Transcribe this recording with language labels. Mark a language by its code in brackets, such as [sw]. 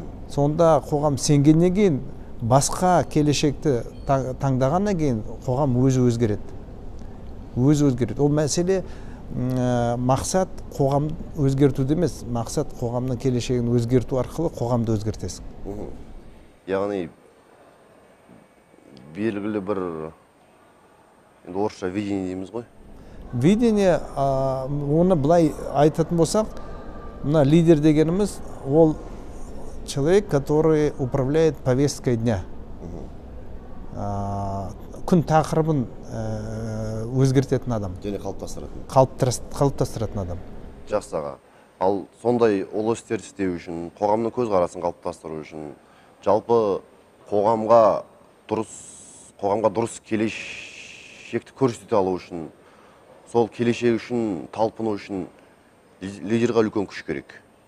[kk] Сонда қоғам сенгеннен кейін, басқа келешекті таңдағаннан кейін қоғам өзі өзгереді. Өзі өзгереді. Ол мәселе мақсат қоғам өзгертуде емес, мақсат қоғамның келешегін өзгерту арқылы қоғамды өзгертесің. Яғни белгілі бір, енді орысша видение дейміз ғой. Видение, оны былай айтатын болсақ, мына лидер дегеніміз ол [ru] человек, который управляет повесткой дня. [kk] Күн тақырыбын өзгертетін адам. Және қалыптастыратын. Қалыптастыратын адам. Жақсы аға. Ал сондай ұлы істерді істеу үшін, қоғамның көзқарасын қалыптастыру үшін, жалпы қоғамға дұрыс келешекті көрсете алу үшін, сол келешек үшін, талпыну үшін лидерге үлкен күш керек.